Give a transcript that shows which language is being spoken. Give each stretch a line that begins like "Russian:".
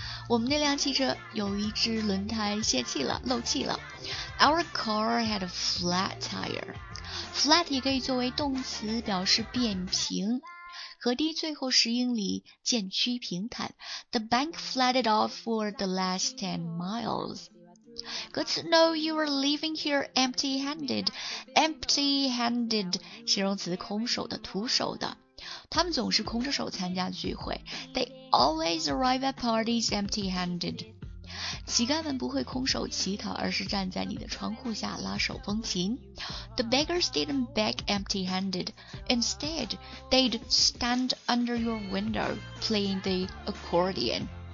Chinese: 我们那辆汽车有一只轮胎泄气了，漏气了。
English: Our car had a flat tire.
Chinese: Flat 也可以作为动词，表示扁平。河堤最后十英里渐趋平坦。
English: The bank flooded off for the last 10 miles. Good to know you were leaving here empty-handed.
Chinese: Empty-handed, 形容词空手的、徒手的。他们总是空着手参加聚会。
English: They always arrive at parties empty-handed.
Chinese: 乞丐们不会空手乞讨，而是站在你的窗户下拉手风琴。
English: The beggars didn't beg empty-handed. Instead, they'd stand under your window playing the accordion.